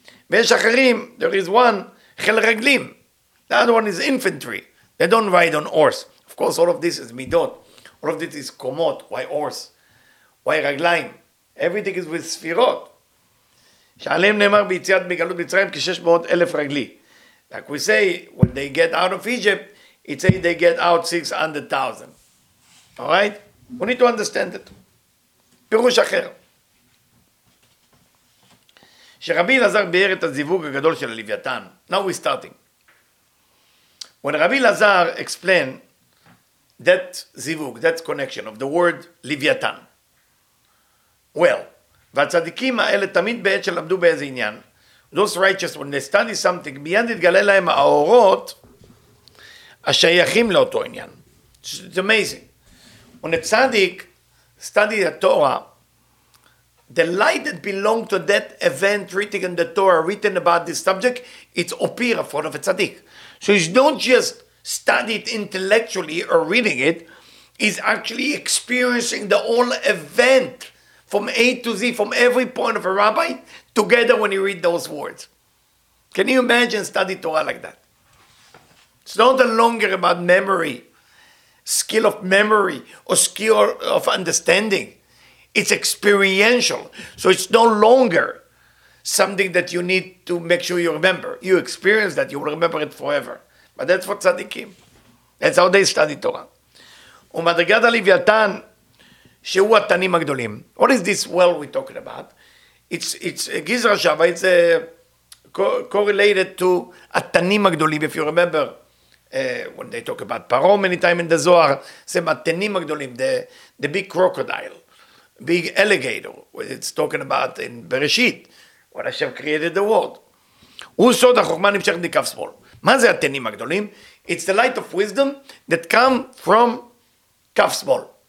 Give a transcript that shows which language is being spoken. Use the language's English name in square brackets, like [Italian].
[Hebrew] ויש אחרים, [English] there is one, [Hebrew] חיל רגלים. [English] The other one is infantry. They don't ride on horse. Of course, all of this is מידות. All of this is קומות. Why horse? Why רגליים? Everything is with ספירות. [Hebrew] שעליהם נאמר ביציאת מגלות מצרים כ-600,000 רגלי. [English] Like we say, when they get out of Egypt, it says they get out 600,000. All right? We need to understand it. [Hebrew] פירוש אחר. שרבי אלעזר ביאר את הזיווג הגדול של הלוויתן. [English] Now we're starting. When רבי אלעזר explained that זיווג, that connection of the word לוויתן. [Hebrew] Well, והצדיקים האלה תמיד בעת שלמדו באיזה עניין, [English] those righteous, when they study something, [Hebrew] מיד יתגלה להם האורות השייכים לאותו עניין. [English] It's amazing. When a tzaddik studied the Torah, the light that belonged to that event written in the Torah, written about this subject, it's opira for the tzaddik. So it's not just studied intellectually or reading it, it's actually experiencing the whole event from A to Z, from every point of a rabbi, together when you read those words. Can you imagine studying Torah like that? It's not longer about memory, skill of memory, or skill of understanding. It's experiential. So it's no longer something that you need to make sure you remember. You experience that, you will remember it forever. But that's what tzaddikim. That's how they study Torah. [Hebrew] ומדרגת הלוויתן, שהוא התנים הגדולים. [English] What is this well we're talking about? It's Gizra Shava, it's correlated to התנים הגדולים, if you remember, when they talk about Paro many times in the Zohar, say התנים הגדולים, the big crocodile, big alligator, it's talking about in Bereshit, when Hashem created the world. [Hebrew] הוא סוד החוכמה נמשך מכף שמאל. מה זה התנים הגדולים? [English] It's the light of wisdom that come from כף שמאל.